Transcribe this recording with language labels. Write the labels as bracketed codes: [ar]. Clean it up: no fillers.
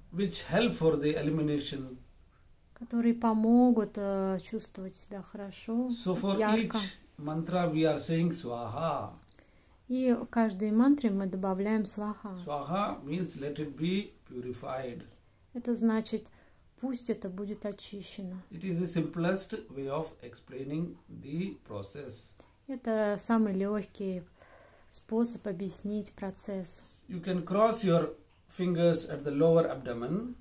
[en] Which help for the elimination. [ru] Которые помогут чувствовать себя хорошо, [en] so for [ru] ярко. [en] Each mantra we are saying swaha. [ru] И в каждой мантре мы добавляем сваха. [en] Сваха means let it be purified. [ru] Это значит, пусть это будет очищено. [en] It is the simplest way of explaining the process. [ru] Это самый легкий способ объяснить процесс. [en] You can cross your fingers at the lower abdomen.